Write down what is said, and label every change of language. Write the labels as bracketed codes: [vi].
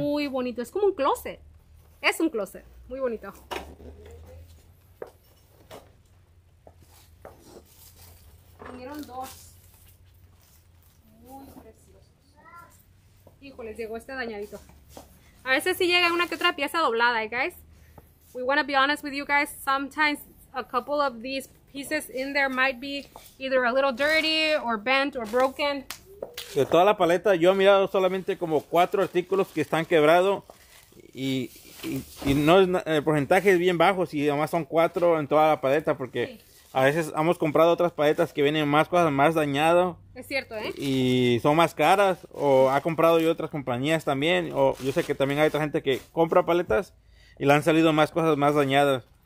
[es] Muy bonito, es como un closet. Es un closet, muy bonito. Vinieron dos. Muy preciosos. Híjole, llegó este dañadito. A veces sí llega una que otra pieza doblada, ¿eh, guys? [en] We want to be honest with you guys. Sometimes a couple of these pieces in there might be either a little dirty or bent or broken. [es] De toda la paleta, yo he mirado solamente como 4 artículos que están quebrados y no es, el porcentaje es bien bajo si además son 4 en toda la paleta, porque sí. A veces hemos comprado otras paletas que vienen más cosas, más dañado. Es cierto, ¿eh? Y son más caras, o ha comprado yo otras compañías también, o yo sé que también hay otra gente que compra paletas y le han salido más cosas más dañadas.